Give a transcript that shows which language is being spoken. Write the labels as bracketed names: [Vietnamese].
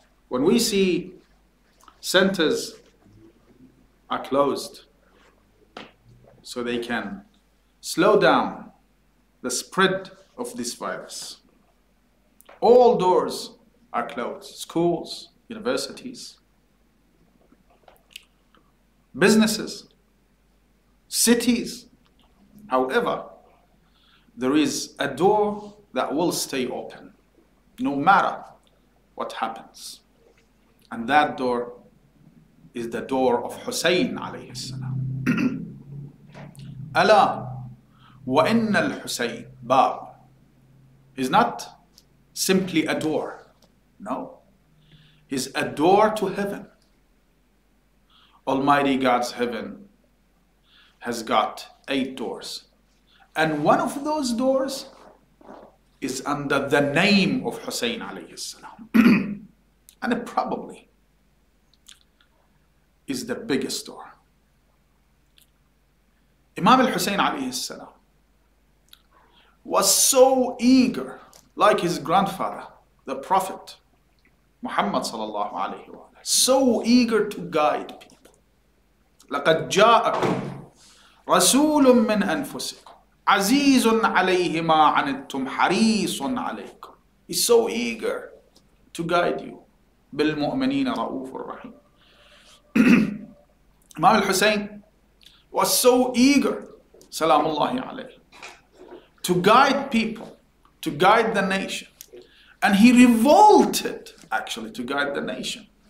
[English] when we see centers are closed so they can slow down the spread of this virus, all doors are closed, schools, universities, businesses, cities. However, there is a door that will stay open no matter what happens. And that door is the door of Hussein alayhi salam. [Arabic] Ala wa inna al-Hussein bab [English] is not simply a door. No, it's a door to heaven. Almighty God's heaven has got 8 doors. And one of those doors is under the name of Hussein alayhi salam. And it probably is the biggest door. Imam al-Hussein alayhi salam was so eager, like his grandfather, the Prophet Muhammad sallallahu alayhi wa sallam, so eager to guide people. [Arabic] لَقَدْ جَاءَكُمْ رَسُولٌ مِّنْ أَنفُسِكُمْ عَزِيزٌ عَلَيْهِ مَا عَنِدْتُمْ حَرِيصٌ عَلَيْكُمْ [English] He's so eager to guide you. [Arabic] بِالْمُؤْمِنِينَ رَؤُوفُ الرَّحِيمُ [English] Imam al-Hussein was so eager, salam Allahi alayhi, to guide people, to guide the nation. And he revolted, actually, to guide the nation.